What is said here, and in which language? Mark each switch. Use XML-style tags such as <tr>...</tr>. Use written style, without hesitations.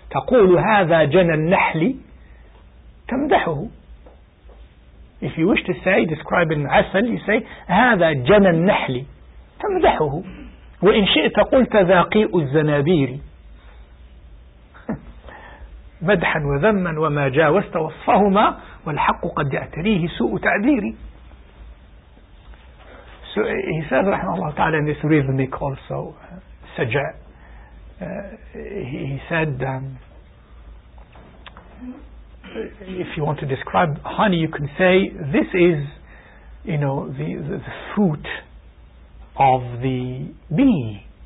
<ar>تقول هذا جنى النحل تمدحه.</ar> <en>If you wish to say, describing عسل, you say</en> <ar>هذا جنى النحل تمدحه. وإن شئت قلت ذاقيء الزنابير مدحا وذما وما جاوزت وصفهما والحق قد يعتريه سوء تعذير.</ar> <en>So he says</en> <ar>رحمه الله تعالى</ar> <en>in this rhythmic also سجع. He said, if you want to describe honey, you can say, this is, you know, the fruit of the bee.</en>